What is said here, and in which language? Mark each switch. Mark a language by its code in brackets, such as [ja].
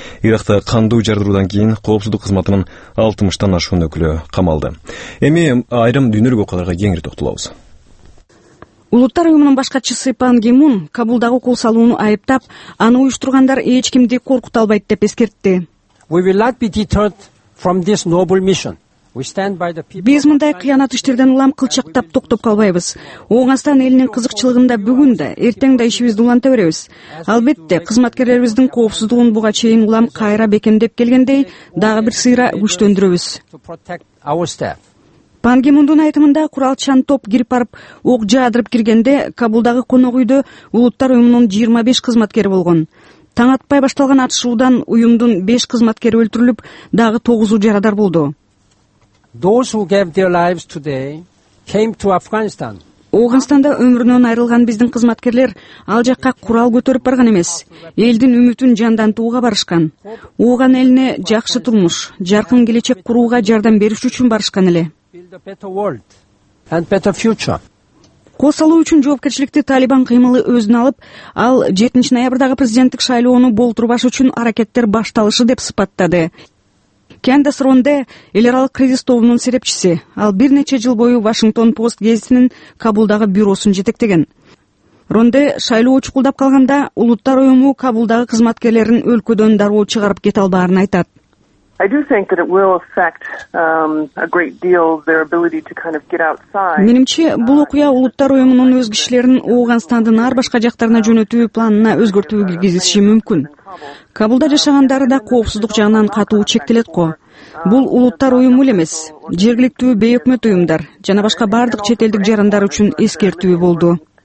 [ky] Иракта кандуу жардыруудан кийин коопсуздук кызматынын 60-тан ашуун өкүлү камалды. Эми айрым дүйнөлүк окуяларга кеңири токтолобуз. Улуттар уюмунун баш катчысы Пан Ги Мун Кабулдагы кол салууну айыптап, аны уюштургандар эч кимди коркута албайт деп эскертти. [en] We will not be deterred from this noble mission. We stand by the people. [ky] Биз мындай кыянат иштерден улам кылчактап токтоп калбайбыз. Оңастан элинин кызыкчылыгында бүгүн да, эртең да ишибизди уланта беребиз. Албетте, кызматкерлерибиздин коопсуздугун буга чейин улам кайра бекемдеп келгендей, дагы бир сыйра күчтөндүрөбүз. Пан Ги Мундун айтымында куралчан топ кирип барып, ок жаадырып киргенде Кабулдагы конок үйдө улуттар уюмунун 25 кызматкери болгон. Таң атпай башталган атышуудан уюмдун 5 кызматкери өлтүрүлүп, дагы 9 жарадар болду. [en] Those who gave their lives today came to Afghanistan. [ky] Афганистанда өмүрүнөн айрылган биздин кызматкерлер ал жакка курал көтөрүп барган эмес, элдин үмүтүн жандантууга барышкан. Ууган элине жакшы турмуш, жаркын келечек курууга жардам бериш үчүн барышкан эле. [en] Build a better world and better future. [ky] Кол салуу үчүн жоопкерчиликти Талибан кыймылы өзүнө алып, ал 7 ноябрдагы президенттик шайлоону болтурбаш үчүн аракеттер башталышы деп сыпаттады. Кендис Ронде эл аралык кризис тобунун серепчиси. Ал бир нече жыл бою Вашингтон Пост гезитинин Кабулдагы бюросун жетектеген. Ронде шайлоо чукулдап калганда улуттар уюму Кабулдагы кызматкерлерин өлкөдөн дароо чыгарып кете албаарын айтат. [en] I do think that it will affect a great deal their ability to kind of get outside. [ky] Менимче бул окуя улуттар уюмунун өз кишилерин Ооганстандын ар башка жактарына жөнөтүү планына өзгөртүү киргизиши мүмкүн. Кабулда жашагандары да коопсуздук жагынан катуу чектелет ко. Бул улуттар уюму эмес, жергиликтүү бейөкмөт уюмдар жана башка бардык чет элдик жарандар үчүн эскертүү болду.